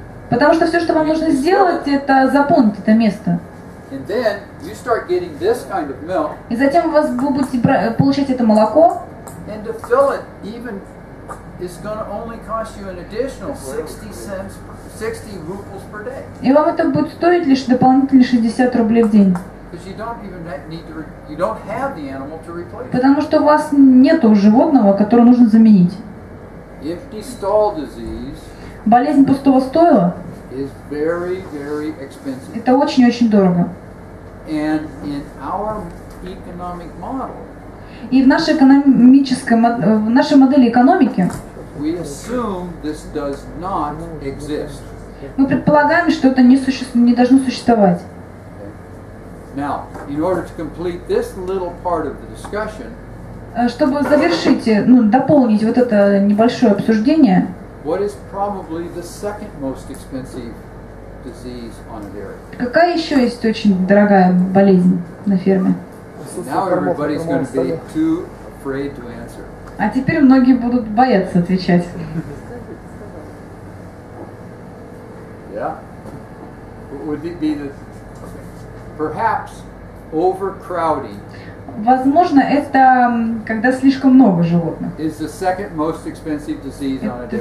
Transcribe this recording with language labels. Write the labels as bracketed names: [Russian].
[Russian] Потому что все, что вам нужно сделать, это заполнить это место. [English] And then you start getting this kind of milk. [Russian] И затем вы будете получать это молоко. [English] And to fill it, even it's going to only cost you an additional 60 rubles per day. [Russian] И вам это будет стоить лишь дополнительные 60 рублей в день. [English] Because you don't have the animal to replace. [Russian] Потому что у вас нету животного, которое нужно заменить. [English] Empty stall disease. [Russian] Болезнь пустого стойла. [English] Is very, very expensive. [Russian] Это очень-очень дорого. [English] And in our economic model, [Russian] и в нашей экономической, в нашей модели экономики, [English] we assume this does not exist. [Russian] Мы предполагаем, что это не должно существовать. [English] Now, in order to complete this little part of the discussion, [Russian] чтобы завершить, ну, дополнить вот это небольшое обсуждение. [English] What is probably the second most expensive disease on a dairy? [Russian] Какая еще есть очень дорогая болезнь на ферме? [English] Now everybody's going to be too afraid to answer. [Russian] А теперь многие будут бояться отвечать. [English] Yeah. Would it be the perhaps overcrowding? [Russian] Возможно, это когда слишком много животных. [English] Is the second most expensive disease on a dairy.